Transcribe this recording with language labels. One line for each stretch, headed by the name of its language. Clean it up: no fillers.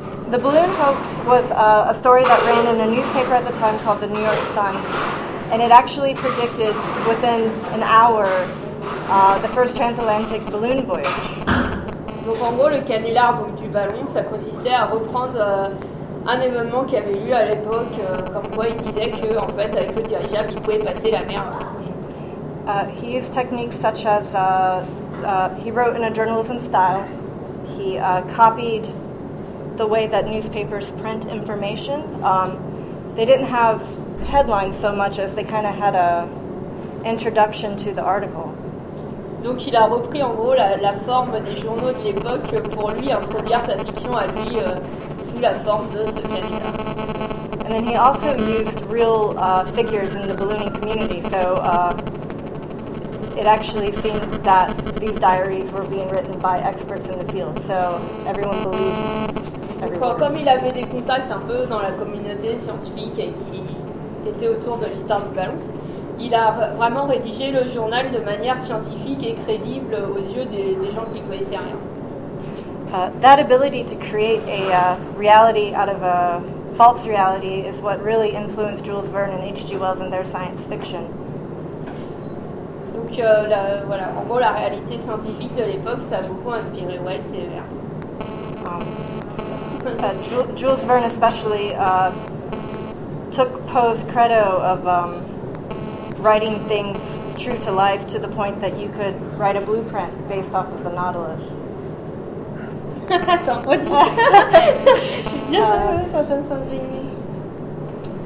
English: The Balloon Hoax was a story that ran in a newspaper at the time called the New York Sun, and it actually predicted within an hour the first transatlantic balloon voyage.
French: Donc en gros, le canular donc du ballon, ça consistait à reprendre un événement qui avait eu à l'époque, comme quoi il disait que en fait avec le dirigeable, il pouvait passer la mer.
English: He used techniques such as he wrote in a journalism style. He copied the way that newspapers print information. They didn't have headlines so much as they kind of had a introduction to the article.
French: Donc il a repris en gros la forme des journaux de l'époque pour lui introduire sa fiction à lui sous la forme de ce canular.
English: And then he also used real figures in the ballooning community. So it actually seemed that these diaries were being written by experts in the field, so everyone believed everyone.
French: Comme il avait des contacts un peu dans la communauté scientifique et qui était autour de l'histoire du ballon, il a vraiment rédigé le journal de manière scientifique et crédible aux yeux des gens qui ne connaissaient rien.
English: That ability to create a reality out of a false reality is what really influenced Jules Verne and H.G. Wells in their science fiction.
French: Donc voilà, en gros, la réalité scientifique de l'époque, ça a beaucoup inspiré Wells et Verne.
English: Jules Verne especially took Poe's credo of writing things true to life to the point that you could write a blueprint based off of the Nautilus.
French: Attends,
English: what do you just something.